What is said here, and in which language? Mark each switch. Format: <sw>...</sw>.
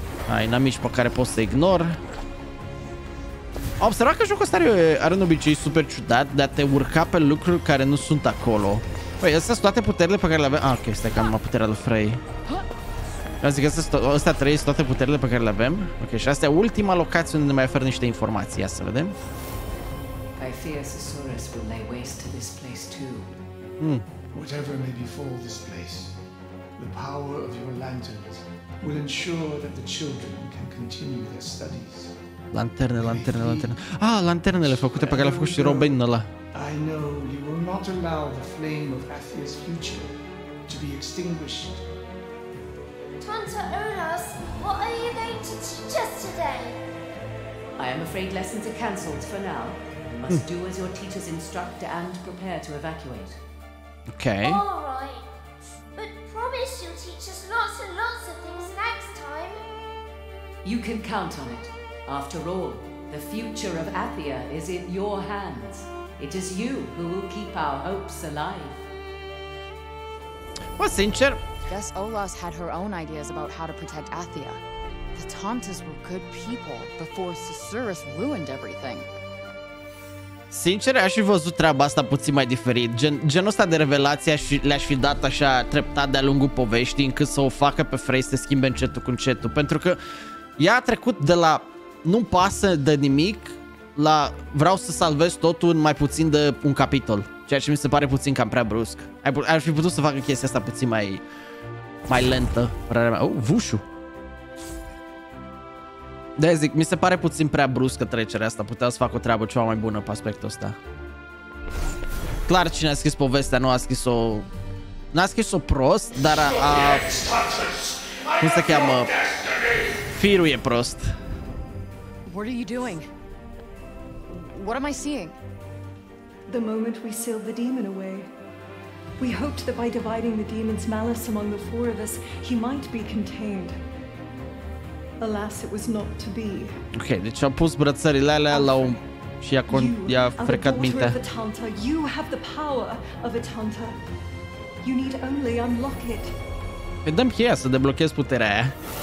<ro>Ai inamici pe care pot să ignor. Am observat că jocul ăsta are un obicei super ciudat de a te urca pe lucruri care nu sunt acolo. Păi, astea sunt toate puterile pe care le avem. Ah, ok, stai că am numai puterea lui Frey. Eu zic că astea trei sunt toate puterile pe care le avem. Ok, și astea e ultima locație unde ne mai oferă niște informații. Ia să vedem.</ro> <en>I fear Susurrus will lay waste to this place too. Whatever may befall this place, the power of your lanterns will ensure that the children can continue their studies.</en> <ro>Lanterne. Ah, lanternele făcute pe care le-a făcut și Robin ăla.</ro> <en>I know you will not allow the flame of Athia's future to be extinguished. Tanta Olas, what are you going to teach us today? I am afraid lessons are cancelled for now. You must do as your teachers instruct and prepare to evacuate. Okay. All right. But promise you'll teach us lots and lots of things next time. You can count on it. After all, the future of Athia is in your hands. It is you who will keep our hopes alive.</en> <ro>Well, sincer.</ro> <en>Guess Olas had her own ideas about how to protect Athia. The Tauntas were good people before Susurrus ruined everything.</en> <ro>Sincer, aș fi văzut treaba asta puțin mai diferit. Genul ăsta de revelație le-aș fi dat așa treptat de-a lungul poveștii, încât să o facă pe Frey să se schimbe încetul cu încetul. Pentru că ea a trecut de la nu-mi pasă de nimic la vreau să salvez totul în mai puțin de un capitol, ceea ce mi se pare puțin cam prea brusc. Ar fi putut să facă chestia asta puțin mai lentă. Vușu. De zic, mi se pare puțin prea bruscă trecerea asta. Puteau să fac o treabă ceva mai bună pe aspectul ăsta. Clar, cine a scris povestea nu a scris-o, nu a scris-o prost, dar a cum se cheamă, firul e prost.</ro> <en>What are you doing? What am I seeing? The moment we sealed the demon away. We hoped that by dividing the demon's malice among the four of us, he might be contained. Alas, it was not to be.</en> <ro>Ok, deci a pus brățările alea la un... și i-a, con... i-a frecat mintea.</ro> <en>You are the daughter of Atanta. You have the power of Atanta. You need only unlock it.</en> <ro>Îi dăm cheia să deblochez puterea aia.</ro>